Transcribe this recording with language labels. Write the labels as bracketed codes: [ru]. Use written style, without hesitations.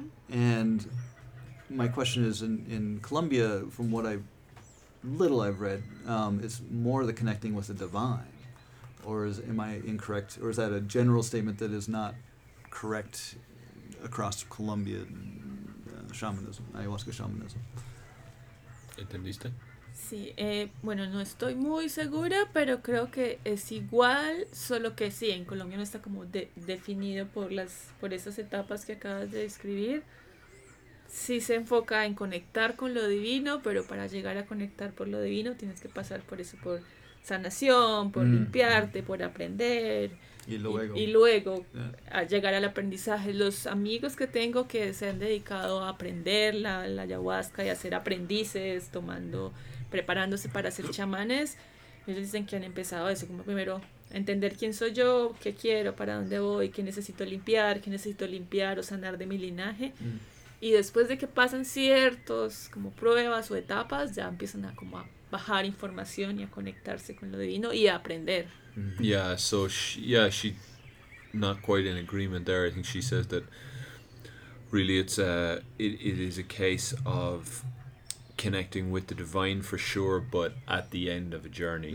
[en] And my question is, in Colombia, from what I've read, it's more the connecting with the divine. Or am I incorrect? Or is that a general statement that is not correct across Colombia, shamanism, ayahuasca shamanism? [es] ¿Entendiste? Sí. Bueno, no estoy muy segura, pero creo que es igual, solo que sí, en Colombia no está como definido por esas etapas que acabas de describir. Sí se enfoca en conectar con lo divino, pero para llegar a conectar por lo divino tienes que pasar por eso, por sanación, por limpiarte, por aprender. Y luego a llegar al aprendizaje. Los amigos que tengo que se han dedicado a aprender la ayahuasca y a ser aprendices, preparándose para ser chamanes, ellos dicen que han empezado eso, como primero entender quién soy yo, qué quiero, para dónde voy, qué necesito limpiar o sanar de mi linaje. Y después de que pasan ciertos como pruebas o etapas, ya empiezan a como a bajar información y a conectarse con lo divino y a aprender. Mm-hmm. [en] Yeah, so she not quite in agreement there. I think she says that really it is a case of connecting with the divine for sure, but at the end of a journey.